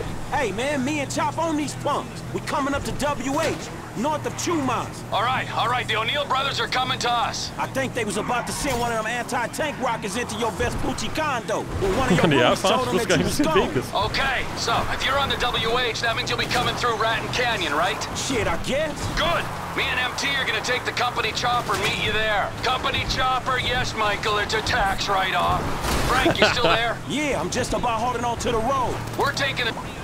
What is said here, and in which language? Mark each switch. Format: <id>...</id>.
<en>Hey man, me and Chop on these pumps. We coming up to WH, north of Chumas. All right, the O'Neill brothers are coming to us. I think they was about to send one of them anti-tank rockets into your Vespucci condo.</en> <de>Kann die erfahren, ich wusste gar nicht, was der Weg ist.</de> <en>Okay, so, if you're on the WH, that means you'll be coming through Raton Canyon, right? Shit, I guess. Good. Me and MT are gonna take the company chopper, meet you there. Company chopper, yes, Michael, it's a tax write-off. Frank, you still there? Yeah, I'm just about holding on to the road. We're taking a...</en>